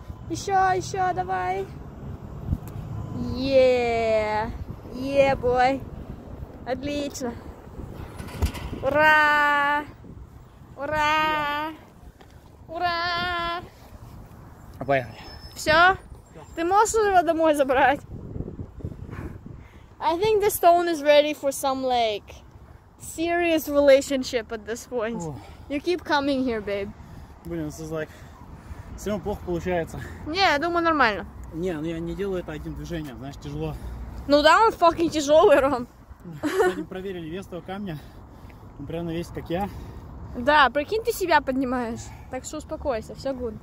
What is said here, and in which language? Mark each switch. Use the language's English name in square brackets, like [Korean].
[Russian] Еще, еще, давай. [English] Yeah. Yeah, boy. [Russian] Отлично. Ура! Ура! Ура! А поехали. Все? Ты можешь его домой забрать? [English] I think the stone is ready for some like serious relationship at this point. You keep coming here, babe. [Russian] Блин, [English] this is like... [Russian] Все равно плохо получается. Не, я думаю, нормально. Не, ну я не делаю это одним движением, знаешь, тяжело. Ну да, он fucking тяжелый, Ром. Кстати, проверили вес этого камня. Он примерно весит, как я. Да, прикинь, ты себя поднимаешь. Так что успокойся, все good.